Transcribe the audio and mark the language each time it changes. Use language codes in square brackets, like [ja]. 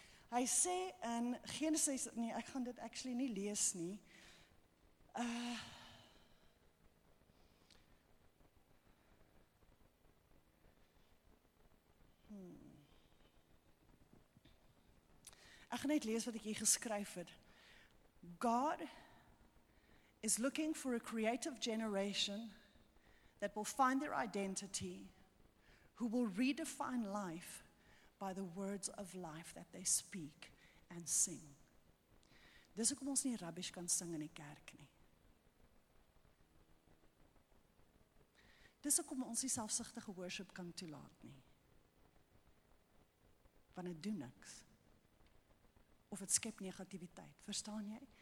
[af] Hy sê in Genesis nee, ek gaan dit actually nie lees nie. Ek gaan net lees wat ek hier geskryf het. [en] God is looking for a creative generation that will find their identity, who will redefine life by the words of life that they speak and sing. [af] Dis hoekom ons nie rubbish kan sing in die kerk nie. Dis hoekom ons nie selfsugtige worship kan toelaat nie. Want dit doen niks. Of dit skep negativiteit, verstaan jy?